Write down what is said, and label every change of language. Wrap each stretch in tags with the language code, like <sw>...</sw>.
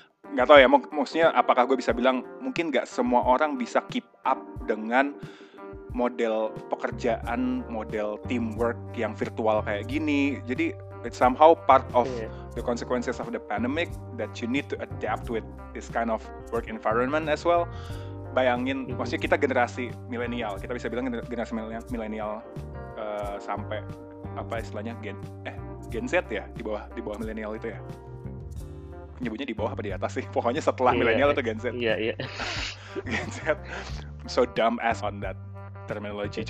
<id>Nggak tahu ya, maksudnya apakah gue bisa bilang mungkin nggak semua orang bisa</id> <en>keep up</en> <id>dengan model pekerjaan, model teamwork yang virtual kayak gini.</id> <en>Jadi it's somehow part of the consequences of the pandemic that you need to adapt with this kind of work environment as well.</en> <id>Bayangin, maksudnya kita generasi milenial, kita bisa bilang generasi milenial sampai apa istilahnya Gen Z ya, di bawah milenial itu ya. Nyebutnya di bawah apa di atas sih? Pokoknya setelah milenial atau Gen Z. Gen Z.</id> <en>I'm so dumb ass on that terminology.</en>